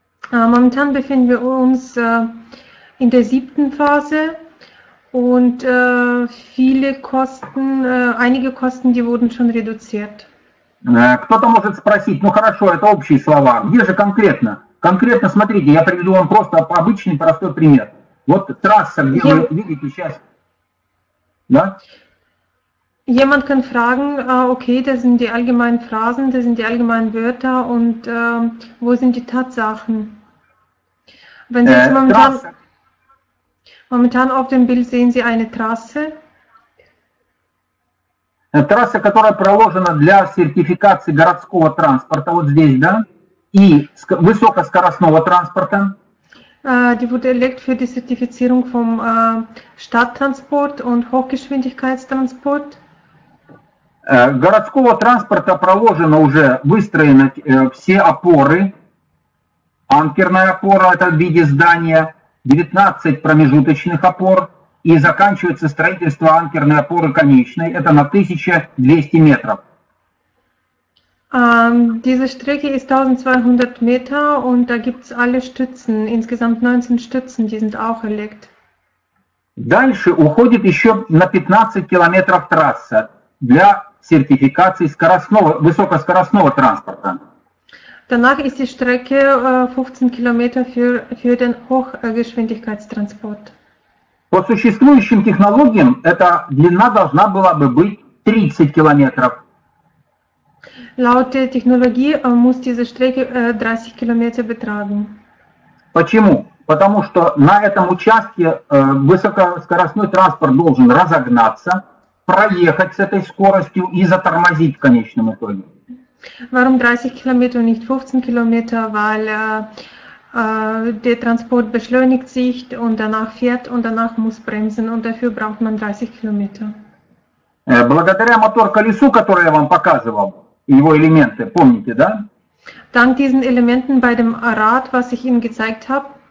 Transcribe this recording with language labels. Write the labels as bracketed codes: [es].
[de] Momentan befinden wir uns in der siebten Phase und viele Kosten, einige Kosten, die wurden schon reduziert. [ru] Кто-то может спросить, ну хорошо, это общие слова, где же конкретно? Конкретно, смотрите, я приведу вам просто обычный простой пример. Вот трасса, где вы видите сейчас, да? [de] Jemand kann fragen, okay, das sind die allgemeinen Phrasen, das sind die allgemeinen Wörter und wo sind die Tatsachen? Wenn Sie jetzt momentan... Momentan auf dem Bild sehen Sie eine Trasse. [ru] Трасса, которая проложена для сертификации городского транспорта, вот здесь, да, и высокоскоростного транспорта. [de] Die wurde erlegt für die Zertifizierung vom Stadttransport und Hochgeschwindigkeitstransport. [ru] Городского транспорта проложено уже, выстроены все опоры. Анкерная опора, это в виде здания, 19 промежуточных опор. И заканчивается строительство анкерной опоры конечной, это на 1200 метров. [de] Diese Strecke ist 1200 Meter und da gibt es alle Stützen, insgesamt 19 Stützen, die sind auch erlegt. [ru] Дальше уходит еще на 15 километров трасса для сертификации скоростного, высокоскоростного транспорта. [de] Danach ist die Strecke 15 Kilometer für den Hochgeschwindigkeitstransport. [ru] По существующим технологиям эта длина должна была бы быть 30 километров. [de] Laut der Technologie muss diese Strecke 30 Kilometer betragen. [ru] Почему? Потому что на этом участке высокоскоростной транспорт должен разогнаться, проехать с этой скоростью и затормозить в конечном итоге. [de] Warum 30 Kilometer und nicht 15 Kilometer? Weil der Transport beschleunigt sich und danach fährt und danach muss bremsen und dafür braucht man 30 Kilometer. [ru] Благодаря мотор-колесу, которое я вам показывал, его элементы, помните, да? [de] Dank diesen Elementen bei dem Rad, was ich Ihnen gezeigt habe,